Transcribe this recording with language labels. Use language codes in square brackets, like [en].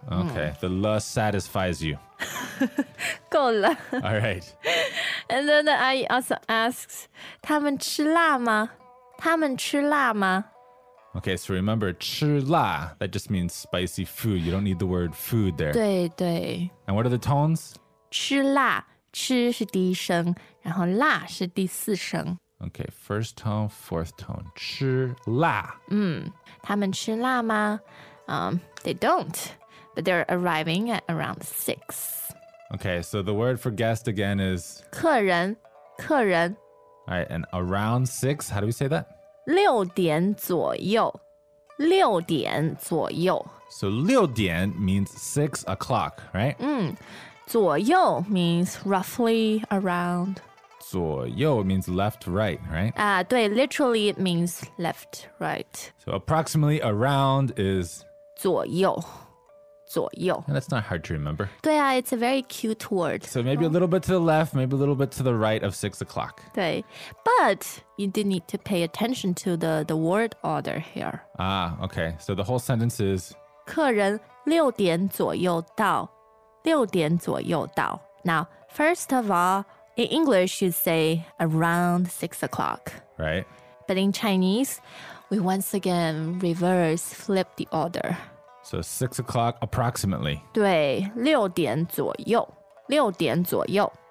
[en] Okay, the la satisfies you. [zh] 够了。 [en] All right. And then the I also asks, [zh] 他们吃辣吗？他们吃辣吗？ [en] Okay, so remember, [zh] 吃辣, [en] that just means spicy food. You don't need the word food there. [zh] 对对。 [en] And what are the tones? [zh] 吃辣, 吃是第一声,然后辣是第四声。 [en] Okay, first tone, fourth tone, [zh] 吃辣。他们吃辣吗? [en] They don't, but they're arriving at around six. Okay, so the word for guest again is? [zh] 客人,客人。 [en] All right, and around six, how do we say that? [zh] 六点左右，六点左右。 [en] So [zh] 六点 [en] means 6 o'clock, right? [zh] 左右 [en] means roughly around. [zh] 左右 [en] means left, right, right? [zh] 对 [en] ，literally it means left, right. So approximately around is [zh] 左右，左右。 [en] And that's not hard to remember. [zh] 对啊 [en] ，it's a very cute word. So maybe a little bit to the left, maybe a little bit to the right of 6 o'clock. [zh] 对 [en] ，but you do need to pay attention to the word order here. Ah, okay. So the whole sentence is [zh] 客人六点左右到，六点左右到。 [en] Now, first of all, in English, you say around 6 o'clock. Right. But in Chinese, we once again reverse, flip the order. So 6 o'clock approximately. [zh] 对，六点左右，六点左右。